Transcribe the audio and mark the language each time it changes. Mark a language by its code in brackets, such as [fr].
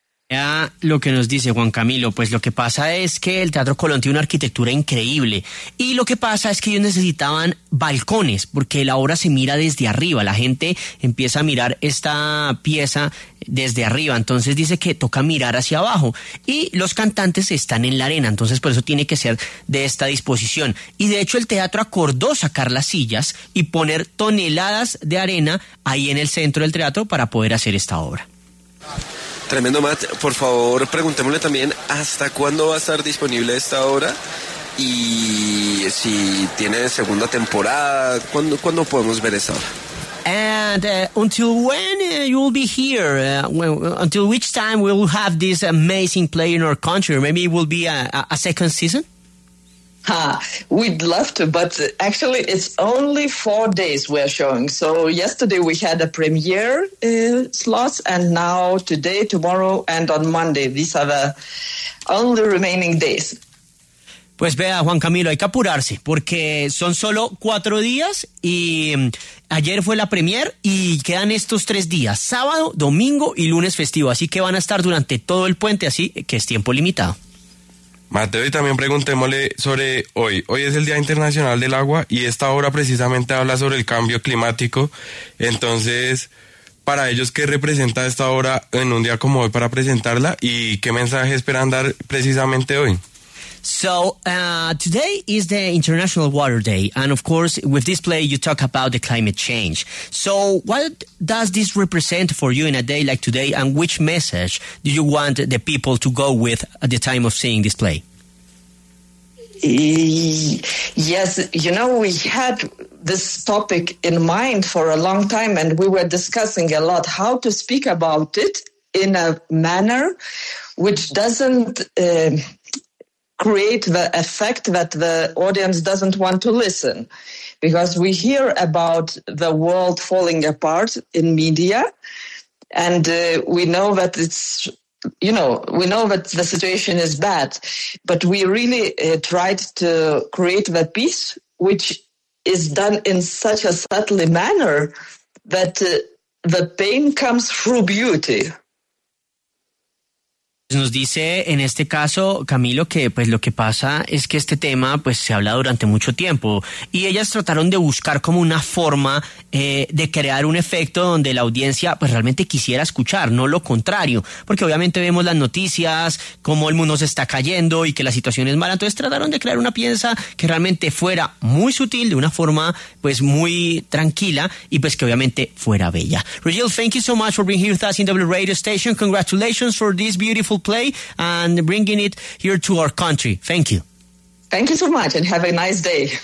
[es] Ya lo que nos dice Juan Camilo, pues lo que pasa es que el Teatro Colón tiene una arquitectura increíble y lo que pasa es que ellos necesitaban balcones porque la obra se mira desde arriba, la gente empieza a mirar esta pieza desde arriba, entonces dice que toca mirar hacia abajo y los cantantes están en la arena, entonces por eso tiene que ser de esta disposición y de hecho el teatro acordó sacar las sillas y poner toneladas de arena ahí en el centro del teatro para poder hacer esta obra. Tremendo, Matt. Por favor, preguntémosle también hasta cuándo va a estar disponible esta obra y si tiene segunda temporada, ¿cuándo podemos ver esta obra? [en] And until when you will be here, until which time we will have this amazing play in our country, maybe it will be a second season? We'd love to, but actually it's only 4 days we're showing. So yesterday we had a premiere slot, and now today, tomorrow, and on Monday. These are the only remaining days. [es] Pues vea, Juan Camilo, hay que apurarse, porque son solo 4 días, y ayer fue la premier, y quedan estos 3 días, sábado, domingo y lunes festivo. Así que van a estar durante todo el puente, así que es tiempo limitado. Mateo, y también preguntémosle sobre hoy. Hoy es el Día Internacional del Agua y esta obra precisamente habla sobre el cambio climático. Entonces, para ellos, ¿qué representa esta obra en un día como hoy para presentarla y qué mensaje esperan dar precisamente hoy? [en] So, today is the International Water Day. And of course, with this play, you talk about the climate change. So, what does this represent for you in a day like today? And which message do you want the people to go with at the time of seeing this play? Yes, you know, we had this topic in mind for a long time and we were discussing a lot how to speak about it in a manner which doesn't create the effect that the audience doesn't want to listen. Because we hear about the world falling apart in media, and we know that it's, you know, we know that the situation is bad, but we really tried to create the peace which is done in such a subtle manner that the pain comes through beauty. [es] Nos dice en este caso, Camilo, que pues lo que pasa es que este tema pues se habla durante mucho tiempo y ellas trataron de buscar como una forma de crear un efecto donde la audiencia pues realmente quisiera escuchar, no lo contrario, porque obviamente vemos las noticias, cómo el mundo se está cayendo y que la situación es mala, entonces trataron de crear una pieza que realmente fuera muy sutil, de una forma pues muy tranquila y pues que obviamente fuera bella. [en] Rogel, thank you so much for being here with us in W Radio Station. Congratulations for this beautiful play and bringing it here to our country. Thank you. Thank you so much and have a nice day.